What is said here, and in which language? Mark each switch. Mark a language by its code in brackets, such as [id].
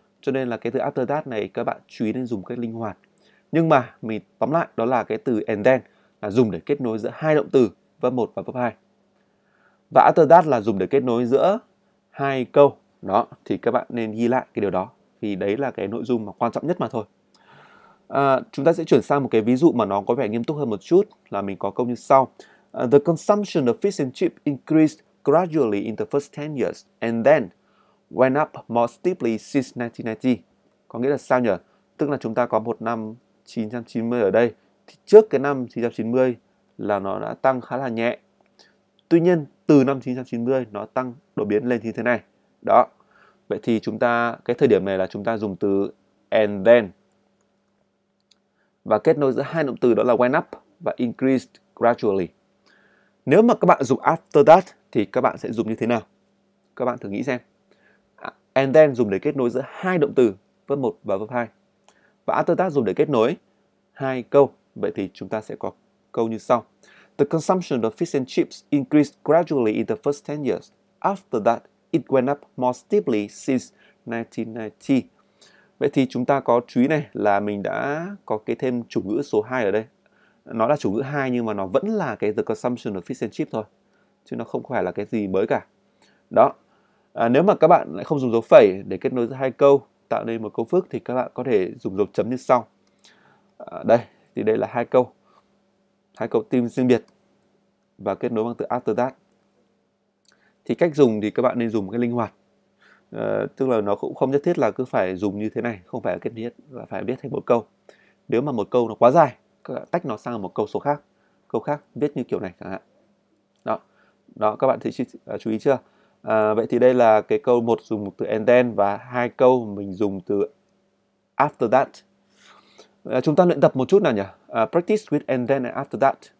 [vi] Cho nên là cái từ after that này các bạn chú ý nên dùng cách linh hoạt. Nhưng mà mình tóm lại đó là cái từ and then là dùng để kết nối giữa hai động từ verb 1 và verb 2. Và after that là dùng để kết nối giữa hai câu. Đó, thì các bạn nên ghi lại cái điều đó vì đấy là cái nội dung mà quan trọng nhất mà thôi. Chúng ta sẽ chuyển sang một cái ví dụ mà nó có vẻ nghiêm túc hơn một chút, là mình có câu như sau. [en] The consumption of fish and chips increased gradually in the first 10 years and then went up more steeply since 1990. [vi] Có nghĩa là sao nhỉ? Tức là chúng ta có một năm 990 ở đây. Thì trước cái năm 990 là nó đã tăng khá là nhẹ. Tuy nhiên từ năm 990 nó tăng đột biến lên như thế này. Đó. Vậy thì chúng ta cái thời điểm này là chúng ta dùng từ and then. Và kết nối giữa hai động từ đó là went up và increased gradually. Nếu mà các bạn dùng after that thì các bạn sẽ dùng như thế nào? Các bạn thử nghĩ xem. And then dùng để kết nối giữa hai động từ verb 1 và verb 2. Và after that dùng để kết nối hai câu. Vậy thì chúng ta sẽ có câu như sau. [en] The consumption of fish and chips increased gradually in the first 10 years. After that, it went up more steeply since 1990. [vi] Vậy thì chúng ta có chú ý này là mình đã có cái thêm chủ ngữ số 2 ở đây. Nó là chủ ngữ 2 nhưng mà nó vẫn là cái [en] the consumption of fish and chips [vi] thôi. Chứ nó không phải là cái gì mới cả. Đó. Nếu mà các bạn lại không dùng dấu phẩy để kết nối giữa hai câu, tạo nên một câu phức thì các bạn có thể dùng dấu chấm như sau. Đây, Thì đây là hai câu tìm riêng biệt và kết nối bằng từ after that. Thì cách dùng thì các bạn nên dùng một cái linh hoạt, tức là nó cũng không nhất thiết là cứ phải dùng như thế này, không phải kết nối là phải viết thành một câu. Nếu mà một câu nó quá dài, các bạn tách nó sang một câu số khác, câu khác viết như kiểu này chẳng hạn. Đó, đó các bạn thì chú ý chưa? Vậy thì đây là cái câu một dùng từ and then và hai câu mình dùng từ after that. Chúng ta luyện tập một chút nào nhỉ? [en] Practice with and then and after that.